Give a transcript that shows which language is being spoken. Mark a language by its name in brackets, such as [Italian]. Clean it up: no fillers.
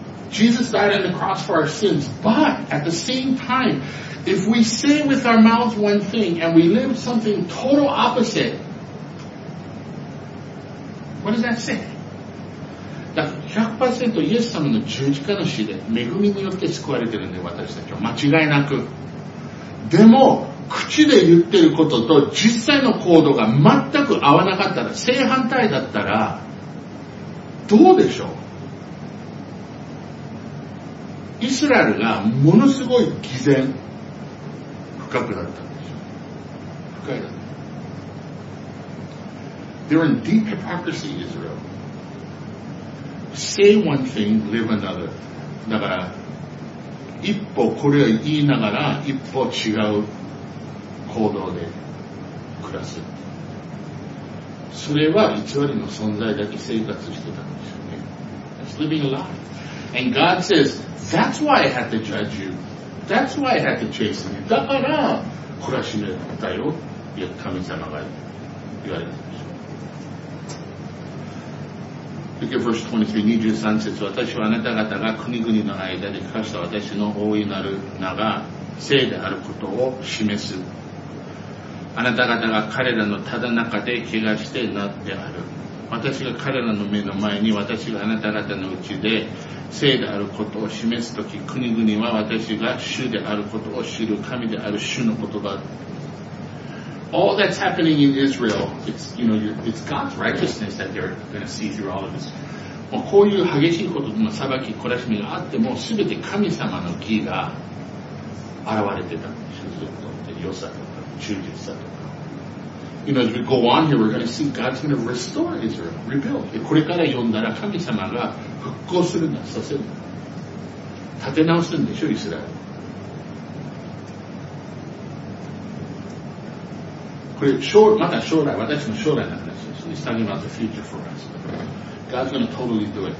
[English] Jesus died on the cross for our sins. But at the same time, if we say with our mouth one thing and we live something total opposite, what does that say? [Japanese] だから 100% イエス様の十字架の死で恵みによって救われてるんで私たちは間違いなく。でも、口で言ってることと実際の行動が全く合わなかったら、正反対だったら、どうでしょう。イスラエルがものすごい偽善深くなったんですよ。深いだった。 [English] They're in deep hypocrisy, Israel. Say one thing, live another. [Japanese] だから一歩これを言いながら一歩違う行動で暮らす。それは偽りの存在だけ生活してたんですよね。 [English] That's living a lie. And God says, that's why I had to judge you. That's why I had to chase you. [Japanese] だから、懲らしめたよ。いや、神様が言われたんですよ。 [English] Look at verse 23, 23節。 [Japanese] 私はあなた方が国々の間で犯した私の大いなる名が聖であることを示す。あなた方が彼らのただ中で怪我してなってある。私が彼らの目の前に私があなた方のうちで聖であることを示すとき、国々は私が主であることを知る、神である主の言葉。 [English] All that's happening in Israel, it's, you know, it's God's righteousness that they're going to see through all of this. [Japanese] まあ、こういう激しいこと、まあ、裁き、懲らしみがあっても、すべて神様の義が現れてたんですよ、ずっと。で、良さとか、忠実さとか。 [English] You know, as we go on here, we're going to see God's going to restore Israel, rebuild. [Japanese] で、これから読んだら神様が復興するんだ、させるんだ。立て直すんでしょ、イスラエル。これ、また将来、私の将来の話です。 [English] It's talking about the future for us. God's going to totally do it.